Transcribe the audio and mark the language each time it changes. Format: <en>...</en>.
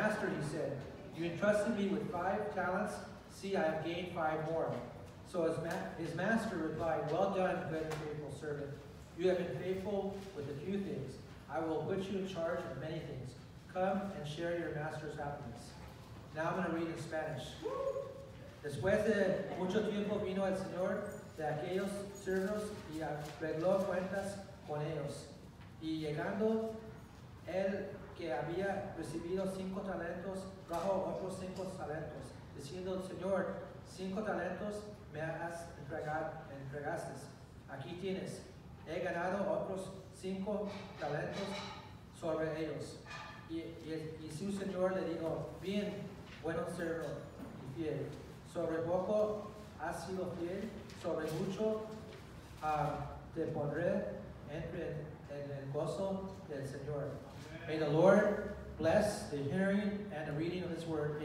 <en>Master, he said, you entrusted me with 5 talents. See, I have gained 5 more. So his master replied, well done, good and faithful servant. You have been faithful with a few things. I will put you in charge of many things. Come and share your master's happiness. Now I'm going to read in Spanish.</en> <es>Después de mucho tiempo vino el Señor de aquellos siervos y arregló cuentas con ellos. Y llegando el que había recibido 5 talentos, trajo otros 5 talentos, diciendo, Señor, 5 talentos me has entregaste. Aquí tienes. He ganado otros 5 talentos sobre ellos. Y su Señor le dijo, bien, bueno siervo y fiel. Sobre poco has sido fiel, sobre mucho te pondré, entre en el gozo del Señor.</es> <en>May the Lord bless the hearing and the reading of His word.</en>